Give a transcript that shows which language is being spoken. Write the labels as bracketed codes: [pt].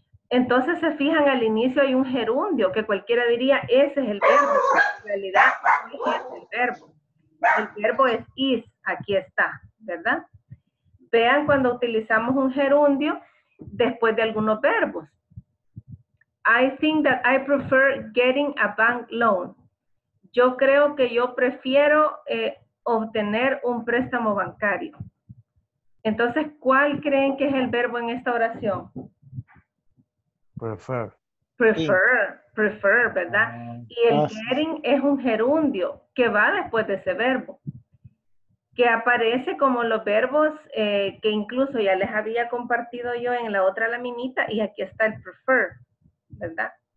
[es] Entonces, se fijan, al inicio hay un gerundio que cualquiera diría, ese es el verbo. En realidad, ese es el verbo. El verbo es is, aquí está, ¿verdad? Vean cuando utilizamos un gerundio después de algunos verbos. [en] I think that I prefer getting a bank loan. [es] Yo creo que yo prefiero obtener un préstamo bancario. Entonces, ¿cuál creen que es el verbo en esta oración? [en] Prefer, [es] ¿verdad? Y el getting es un gerundio que va después de ese verbo, que aparece como los verbos que incluso ya les había compartido yo en la otra laminita, y aquí está el prefer, ¿verdad?